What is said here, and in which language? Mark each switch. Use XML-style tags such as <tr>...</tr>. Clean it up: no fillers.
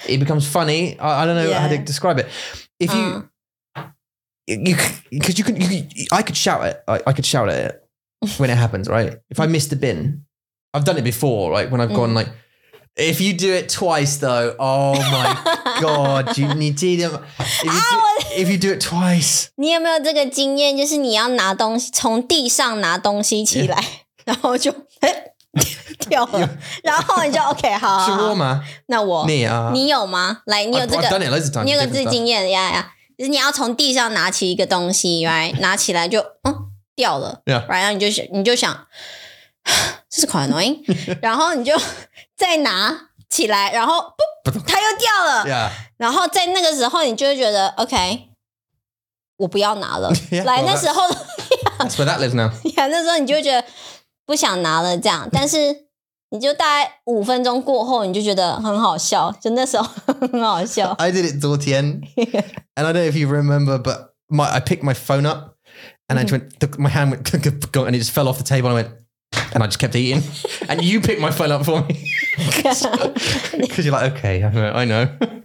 <en>It becomes funny. I don't know how to describe it. If you, because I could shout it. I could shout at it when it happens, right? If I missed the bin, I've done it before, right? When I've gone like, if you do it twice though, oh my God, you need to eat them. If you do it twice.</en> <zh>你有没有这个经验, 就是你要拿东西, 从地上拿东西起来, 然后就, 掉了,然后你就, okay, 好, 是我吗? 那我, 你, 你有吗?Like, 你有这个,</zh> <en>I've done it loads of times.</en> <zh>你有个这经验, yeah, yeah. 就是你要从地上拿起一个东西, right? 拿起来就, 掉了,</zh> <en>yeah.</en> <zh>Right? 然后你就想, 这是</zh> <en>quite annoying.</en> <zh>然后你就, 再拿起来, 然后, 噗, 它又掉了,</zh> <en>yeah.</en> <zh>然后在那个时候你就会觉得, okay, 我不要拿了, 来,</zh> <en>well,</en> <zh>那时候,</zh> <en>that's where that lives now.</en> <zh>Yeah, 那时候你就会觉得, 不想拿了这样, 但是, 你就大概5分钟过后, 你就觉得很好笑, 就那时候很好笑,</zh> <en>I did it 昨天, and I don't know if you remember, but I picked my phone up, and I went, my hand went, and it just fell off the table, and I went, and I just kept eating, and you picked my phone up for me. Because you're like, okay, I know.</en>